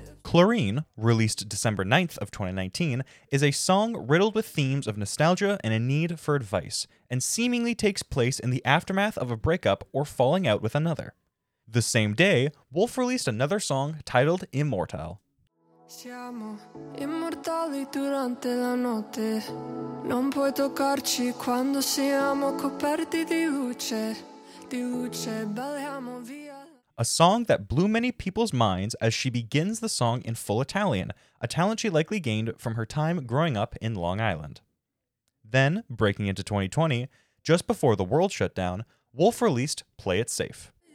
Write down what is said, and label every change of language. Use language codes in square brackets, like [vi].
[en] Chlorine, released December 9th of 2019, is a song riddled with themes of nostalgia and a need for advice, and seemingly takes place in the aftermath of a breakup or falling out with another. The same day, Wolfe released another song titled Immortal. [it] Siamo immortali durante la notte. Non puoi toccarci quando siamo coperti di luce. Di luce, balliamo via. [en] A song that blew many people's minds as she begins the song in full Italian, a talent she likely gained from her time growing up in Long Island. Then, breaking into 2020, just before the world shut down, Wolfe released Play It Safe.